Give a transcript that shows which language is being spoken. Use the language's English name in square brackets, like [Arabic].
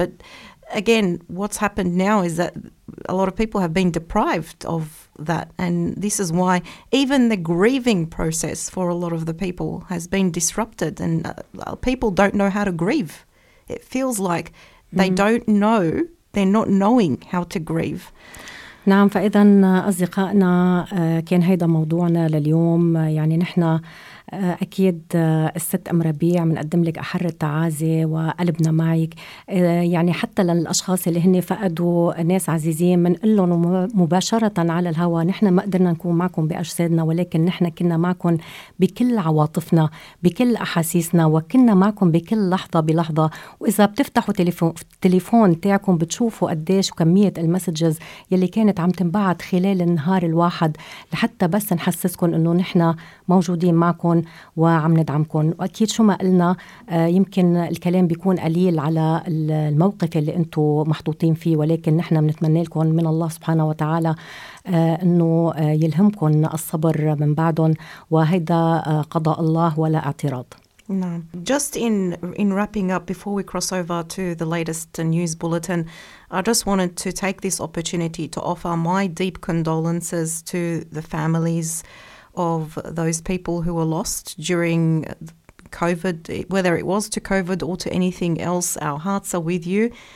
[English] But again, what's happened now is that a lot of people have been deprived of that. And this is why even the grieving process for a lot of the people has been disrupted. And people don't know how to grieve. It feels like they don't know, they're not knowing how to grieve. [Arabic] نعم فإذا أصدقائنا كان هيدا موضوعنا لليوم يعني نحن أكيد الست أم ربيع منقدم لك أحر التعازي وقلبنا معك يعني حتى للأشخاص اللي هن فقدوا ناس عزيزين منقول لهم مباشرة على الهواء نحن ما قدرنا نكون معكم بأجسادنا ولكن نحن كنا معكم بكل عواطفنا بكل أحاسيسنا وكنا معكم بكل لحظة بلحظة وإذا بتفتحوا تليفون تاعكم بتشوفوا قديش كمية المسجز يلي كانت عم تنبعت خلال النهار الواحد لحتى بس نحسسكم أنه نحن موجودين معكم وعم ندعمكم وأكيد شو ما قلنا يمكن الكلام بيكون قليل على الموقف اللي أنتوا محطوطين فيه ولكن نحن بنتمنى لكم من الله سبحانه وتعالى أنه يلهمكم الصبر من بعدهم وهذا قضاء الله ولا اعتراض. نعم. [English] Just in wrapping up before we cross over to the latest news bulletin, I just wanted to take this opportunity to offer my deep condolences to the families of those people who were lost during COVID, whether it was to COVID or to anything else, our hearts are with you.